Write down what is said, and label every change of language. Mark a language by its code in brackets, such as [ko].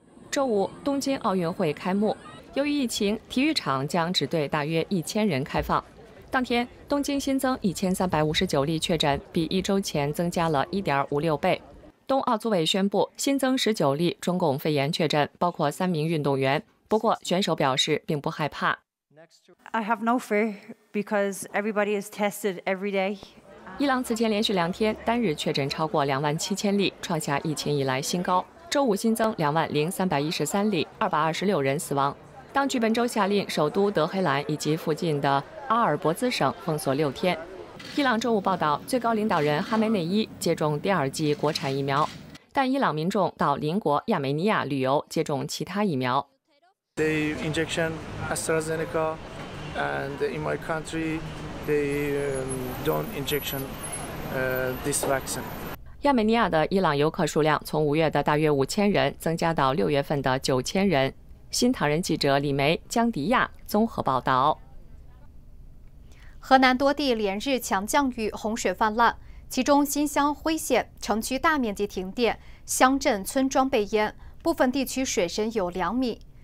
[zh] 周五，东京奥运会开幕，由于疫情，体育场将只对大约1000人开放。当天，东京新增1359例确诊，比一周前增加了1.56倍。冬奥组委宣布新增19例中共肺炎确诊，包括3名运动员。不过，选手表示并不害怕。 [en] I have no fear because everybody is tested every day. [zh] 伊朗此前连续2天单日确诊超过27000例，创下疫情以来新高。周五新增20313例，226人死亡。当局本周下令首都德黑兰以及附近的阿尔伯兹省封锁6天。伊朗周五报道，最高领导人哈梅内伊接种第二剂国产疫苗，但伊朗民众到邻国亚美尼亚旅游接种其他疫苗。 [en] They injection AstraZeneca, and in my country, they don't injection this vaccine. [zh] 亚美尼亚的伊朗游客数量从5月的大约5000人增加到6月份的9000人。新唐人记者李梅、江迪亚综合报道。河南多地连日强降雨，洪水泛滥，其中新乡辉县城区大面积停电，乡镇村庄被淹，部分地区水深有2米。